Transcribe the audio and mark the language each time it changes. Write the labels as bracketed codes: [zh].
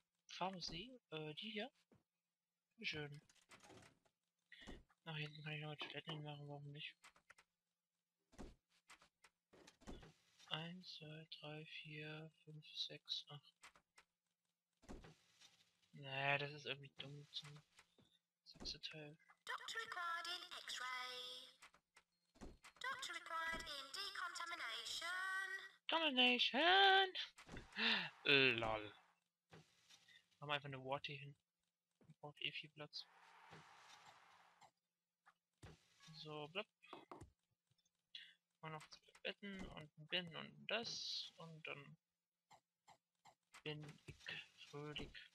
[de] Pharmacy, die hier. Schön. Nach hinten kann ich noch eine Toilette hinmachen, warum nicht? 1, 2, 3, 4, 5, 6, 8. Naja, das ist irgendwie dumm zum 6. Teil. [en] Doctor required in X-Ray. Doctor required in Decontamination. Contamination! Lol. [de] Machen wir einfach eine Warte hin. Braucht eh viel Platz. So, blub. man noch zu betten und bin und das und dann bin ich fröhlich.